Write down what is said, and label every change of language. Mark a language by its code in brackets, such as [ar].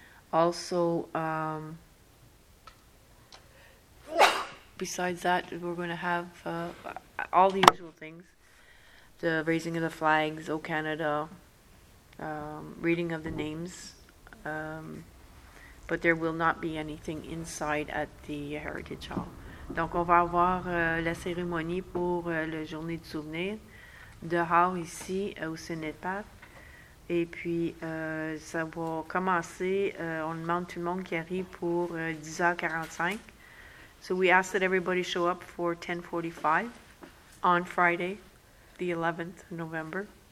[en] Also, besides that, we're going to have all the usual things. The raising of the flags, O Canada, reading of the names. But there will not be anything inside at the Heritage Hall. [fr] Donc, on va avoir la cérémonie pour la journée du souvenir dehors ici au Cenotaph. Et puis, ça va commencer. On demande tout le monde qui arrive pour 10h45. [en] So we ask that everybody show up for 10:45 on Friday, the 11th of November.